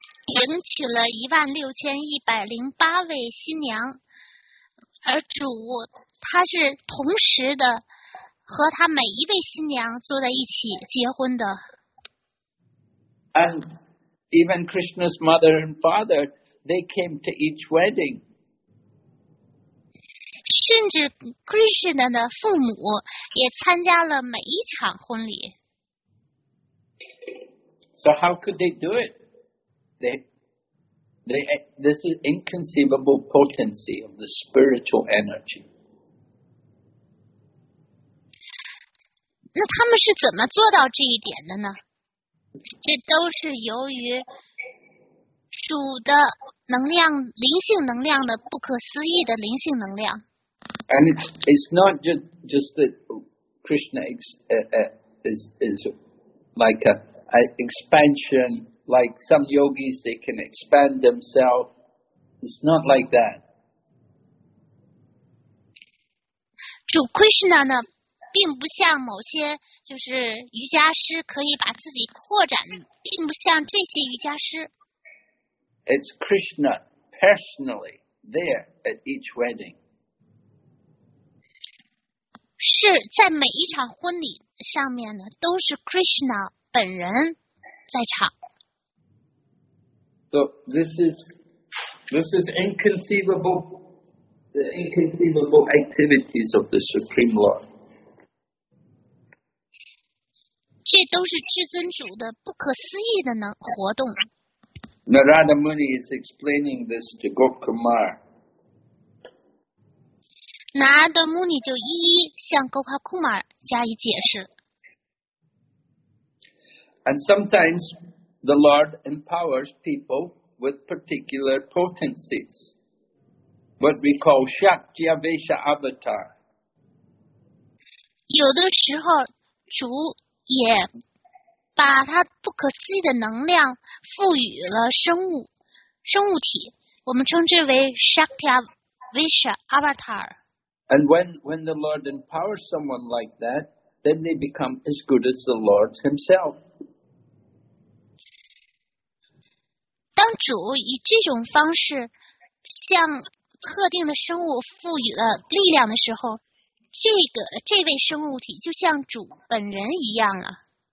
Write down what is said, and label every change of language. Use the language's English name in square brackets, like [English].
[Chinese] 迎娶了16,108位新娘，而主他是同时的和他每一位新娘坐在一起结婚的。 [English] And even Krishna's mother and father, they came to each wedding. [Chinese] 甚至 Krishna 的父母也参加了每一场婚礼。 [English] So how could they do it? This is inconceivable potency of the spiritual energy. [Chinese] 那他们是怎么做到这一点的呢？这都是由于主的能量，灵性能量的不可思议的灵性能量。 [English] And it's not just that Krishna is like a expansion. Like some yogis, they can expand themselves. It's not like that. [Chinese] 主 Krishna 呢，并不像某些就是瑜伽师可以把自己扩展，并不像这些瑜伽师。 [English] It's Krishna personally there at each wedding. [Chinese] 是在每一场婚礼上面呢，都是 Krishna 本人在场。 [English] So this is the inconceivable activities of the Supreme Lord. [Chinese] 这都是至尊主的不可思议的活动。 [English] Narada Muni is explaining this to Gopakumar. [Chinese] Narada Muni 就一一向 Gopakumar 加以解释。 [English] And sometimes the Lord empowers people. With particular potencies, what we call Shakti Avesha Avatar. [Chinese] 有的时候主也把他不可思议的能量赋予了生物体，我们称之为 Shaktya Visha Avatar。 [English] And when the Lord empowers someone like that, then they become as good as the Lord himself. [Chinese] 当主以这种方式向特定的生物赋予了力量的时候，这位生物体就像主本人一样了。